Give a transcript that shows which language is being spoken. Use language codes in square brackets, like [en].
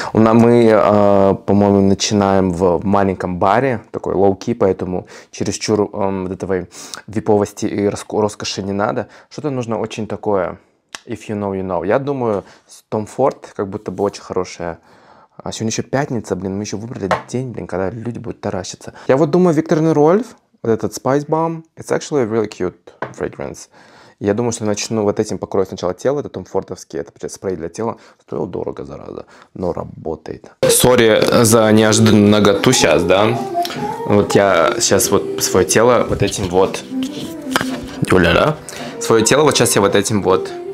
[ru] Мы, по-моему, начинаем в маленьком баре, такой low-key, поэтому чересчур вот этого виповости и роскоши не надо. Что-то нужно очень такое... [en] If you know, you know. [ru] Я думаю, Tom Ford как будто бы очень хорошая. А сегодня еще пятница, блин, мы еще выбрали день, блин, когда люди будут таращиться. Я вот думаю, Виктор Нерольф, вот этот Spice Balm, [en] it's actually a really cute fragrance. [ru] Я думаю, что начну вот этим покрою сначала тело, это Tom Ford-овский, это спрей для тела. Стоил дорого, зараза, но работает. Sorry за неожиданную наготу сейчас, да? Вот я сейчас вот свое тело вот этим вот... Юля, свое тело вот сейчас я вот этим вот...